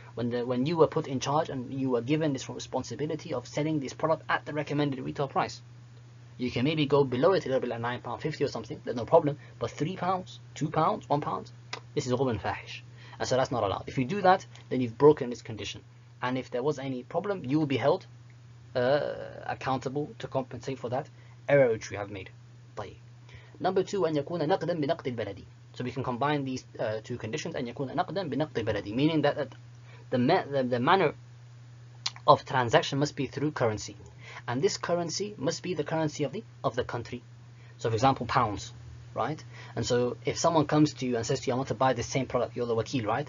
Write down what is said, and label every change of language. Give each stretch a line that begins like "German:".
English: When you were put in charge and you were given this responsibility of selling this product at the recommended retail price, you can maybe go below it a little bit, like £9.50 or something. There's no problem. But £3, £2, £1, this is ghubn fahish. And so that's not allowed. If you do that, then you've broken this condition. And if there was any problem, you will be held accountable to compensate for that error which you have made.
Arabic: طيب.
English: Number two,
Arabic: أن يكون نقدا بنقد البلد.
English: So we can combine these two conditions.
Arabic: أن يكون نقدا بنقد البلد.
English: Meaning that the manner of transaction must be through currency. And this currency must be the currency of the country. So for example, pounds. Right, and so if someone comes to you and says to you, I want to buy this same product, you're the wakil, right?